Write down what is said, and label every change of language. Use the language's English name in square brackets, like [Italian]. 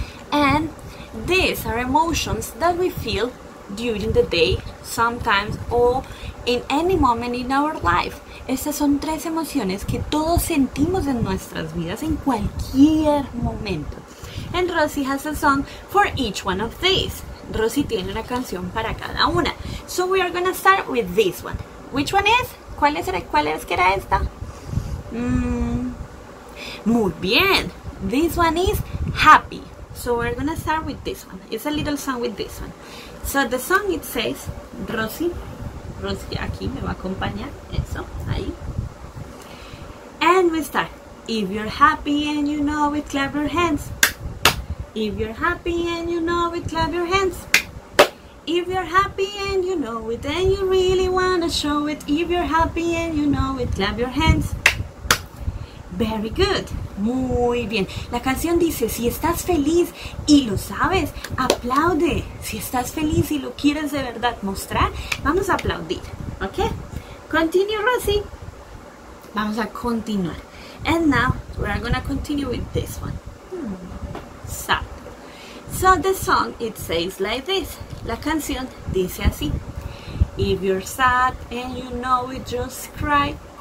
[English] And these are emotions that we feel during the day, sometimes, or in any moment in our life. [Spanish] Estas son tres emociones que todos sentimos en nuestras vidas en cualquier momento. [English] And Rosy has a song for each one of these. [Spanish] Rosy tiene una canción para cada una. [English] So we are gonna start with this one. Which one is? [Spanish] ¿Cuál era esta? Muy bien. [English] This one is happy. So we're gonna start with this one. It's a little song with this one. So the song it says, [Spanish] Rosy aquí me va a acompañar. Eso, ahí. [English] And we start. If you're happy and you know it, clap your hands. If you're happy and you know it, clap your hands. If you're happy and you know it, then you really wanna show it. If you're happy and you know it, clap your hands. Very good. [Spanish] Muy bien. La canción dice, si estás feliz y lo sabes, aplaude. Si estás feliz y lo quieres de verdad mostrar, vamos a aplaudir. ¿Ok? Continue, Rosy. Vamos a continuar. [English] And now, we're gonna continue with this one. So the song, it says like this. [Spanish] La canción dice así. [English] If you're sad and you know it, just cry.